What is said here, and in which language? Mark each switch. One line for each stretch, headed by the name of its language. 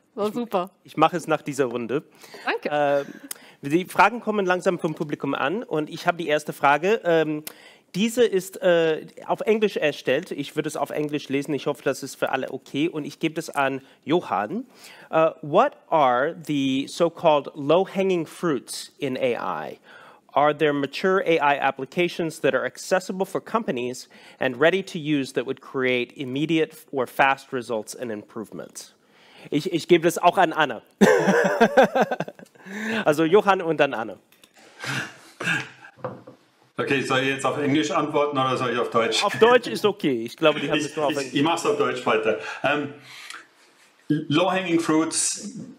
German: War super. Ich mache es nach dieser Runde. Danke. Die Fragen kommen langsam vom Publikum an und ich habe die erste Frage. Diese ist auf Englisch erstellt. Ich würde es auf Englisch lesen. Ich hoffe, das ist für alle okay. Und ich gebe das an Johann.
English: What are the so-called low-hanging fruits in AI? Are there mature AI applications that are accessible for companies and ready to use that would create immediate or fast results and improvements?
German: Ich gebe das auch an Anna. Also Johann und dann Anna. Okay, soll ich jetzt auf Englisch antworten oder soll ich auf Deutsch? Auf Deutsch ist okay. Ich glaube, die haben es nur auf Englisch. Ich mache es auf Deutsch weiter. Low-hanging fruits.